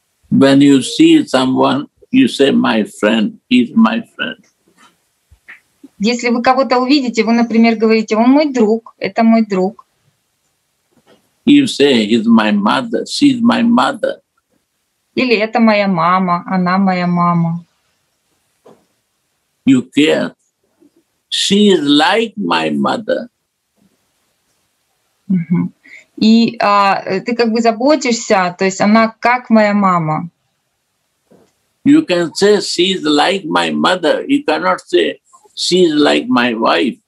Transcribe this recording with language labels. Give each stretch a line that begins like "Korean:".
English: When you see someone, you say, my friend, he's my friend.
Russian: Если вы кого-то увидите, вы, например, говорите, он мой друг, это мой друг.
English: You say, he's my mother, she's my mother.
Russian: Или это моя мама, она моя мама.
English: You care. She is like my mother.
Russian: И ты как бы заботишься, то есть она как моя мама.
English: You can say she is like my mother. You cannot say she is like my wife.